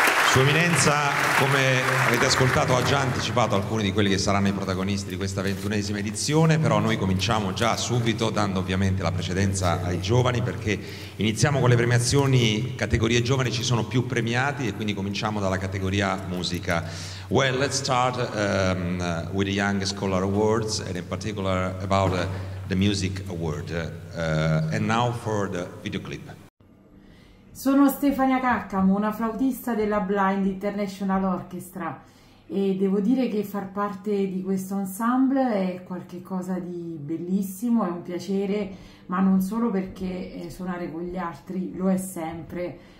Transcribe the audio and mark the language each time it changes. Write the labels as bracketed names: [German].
[Italian] Sua Eminenza, come avete ascoltato, ha già anticipato alcuni di quelli che saranno i protagonisti di questa 21ª edizione, però noi cominciamo già subito dando ovviamente la precedenza ai giovani, perché iniziamo con le premiazioni categorie giovani, ci sono più premiati e quindi cominciamo dalla categoria musica. [English] Well, let's start with the Young Scholar Awards and in particular about the Music Award. And now for the video clip. [Italian] Sono Stefania Caccamo, una flautista della Blind International Orchestra, e devo dire che far parte di questo ensemble è qualcosa di bellissimo, è un piacere, ma non solo perché suonare con gli altri lo è sempre